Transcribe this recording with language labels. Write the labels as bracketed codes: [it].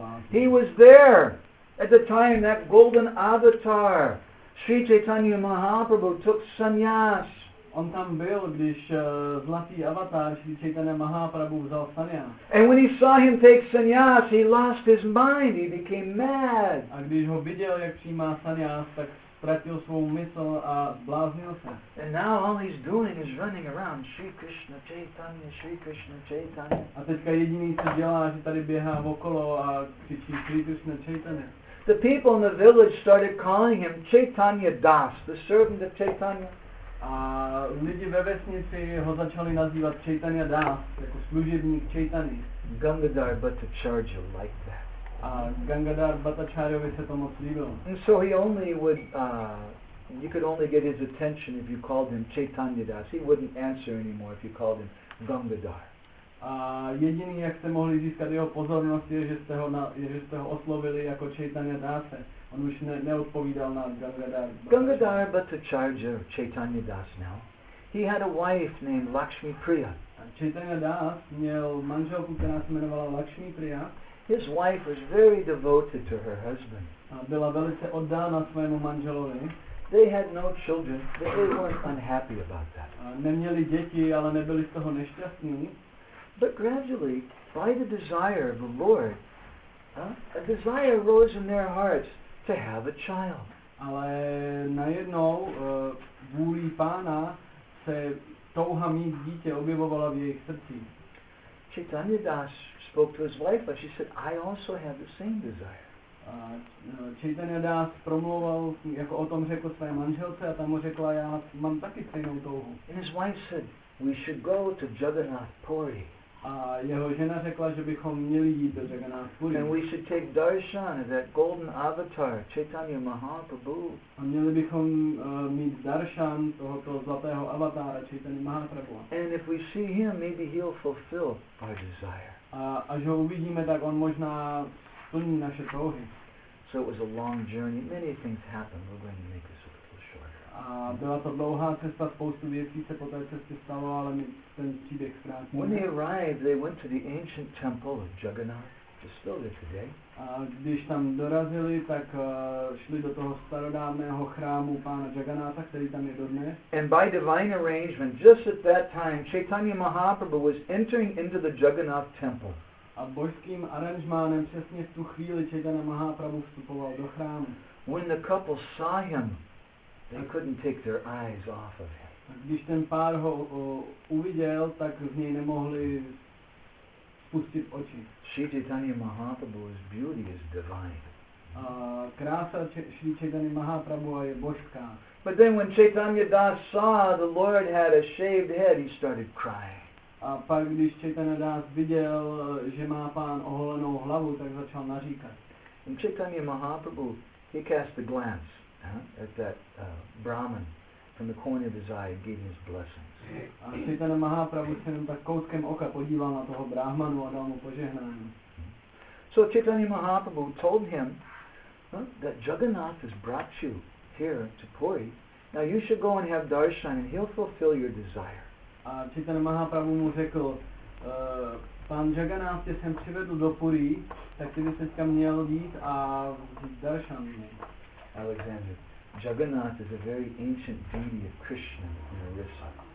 [en] He was there at the time that golden avatar, Sri Chaitanya Mahaprabhu, took sannyas. [cs] On tam byl, když zlatý avatar Sri Chaitanya Mahaprabhu vzal sannyas. [en] And when he saw him take sannyas, he lost his mind, he became mad. [cs] A když ho viděl, jak přijímá sannyas, tak ztratil svou mysl a bláznil se. [en] And now all he's doing is running around, Sri Krishna Chaitanya, Sri Krishna Chaitanya. [cs] A teďka jediný, co dělá, že tady běhá okolo a křičí Sri Krishna Chaitanya. [en] The people in the village started calling him Chaitanya Das, the servant of Chaitanya. [cs] A lidi ve vesnici ho začali nazývat Chaitanya Das, jako služebník Chaitany. [en] Gangadhar Bhattacharya liked that. [cs] A Gangadhar Bhattacharyovi se to moc líbilo. [en] And so he only would, you could only get his attention if you called him Chaitanya Das. He wouldn't answer anymore if you called him Gangadhar. [cs] A jediný, jak jste mohli získat jeho pozornost, je, že jste ho oslovili jako Chaitanya Dase. On už neodpovídal na Gangadhar. [en] Gangadhar Bhattacharya, Chaitanya Das now, he had a wife named Lakshmi Priya. [cs] Chaitanya Das měl manželku, která se jmenovala Lakshmi Priya. [en] His wife was very devoted to her husband. [cs] Byla velice oddána svému manželovi. [en] They had no children, but they weren't unhappy about that. [cs] Neměli děti, ale nebyli z toho nešťastní. [en] But gradually, by the desire of the Lord, a desire rose in their hearts to have a child. [cs] Ale najednou vůlí pána se touha mít dítě objevovala v jejich srdci. [en] Chaitanya Das spoke to his wife, but she said, I also have the same desire. [cs] Chaitanya Das promluval jako o tom, řekl své manželce a ta mu řekla, já mám taky stejnou touhu. [en] And his wife said, we should go to Jagannath Puri. [cs] A jeho žena řekla, že bychom měli jít do Jagannath Puri. [en] And we should take darshan of that golden avatar, Chaitanya Mahaprabhu. [cs] A měli bychom mít darshan tohoto zlatého avatára, Chaitanya Mahaprabhu. [en] And if we see him, maybe he'll fulfill our desire. [cs] A až ho uvidíme, tak on možná splní naše touhy. [en] So it was a long journey. Many things happened. We're going to make this a little shorter. [cs] A byla to dlouhá cesta, spoustu věcí se po té cestě stalo, ale my ten příběh zkrátíme. [en] When they arrived, they went to the ancient temple of Jagannath, which is still there today. [cs] A když tam dorazili, tak šli do toho starodávného chrámu pána Jagannatha, který tam je dodnes. [en] And by divine arrangement, just at that time, Chaitanya Mahaprabhu was entering into the Jagannath temple. [cs] A božským aranžmánem přesně v tu chvíli Chaitanya Mahaprabhu vstupoval do chrámu. [en] When the couple saw him, they couldn't take their eyes off of him. [cs] Když ten pár ho uviděl, tak z něj nemohli spustit oči. [en] Shri Chaitanya Mahaprabhu's beauty is divine. [cs] A krása Shri Chaitanya Mahaprabhu je božská. [en] But then when Chaitanya Das saw the Lord had a shaved head, he started crying. [cs] A pak, když Chaitanya Das viděl, že má pán oholenou hlavu, tak začal naříkat. [en] And Chaitanya Mahaprabhu, he cast a glance at that Brahman from the corner of his eye and gave his blessings. [cs] A Chaitanya Mahaprabhu se jen tak koutkem oka podíval na toho Brahmanu a dal mu požehnání. [en] So Chaitanya Mahaprabhu told him that Jagannath has brought you here to Puri. Now you should go and have darshan and he'll fulfill your desire. [cs] A Chaitanya Mahaprabhu mu řekl, pan Jagannath tě sem přivedl do Puri, tak ty bys teďka měl jít a vzít darshan. [en] Alexander, Jagannath is a very ancient deity of Krishna in Orissa.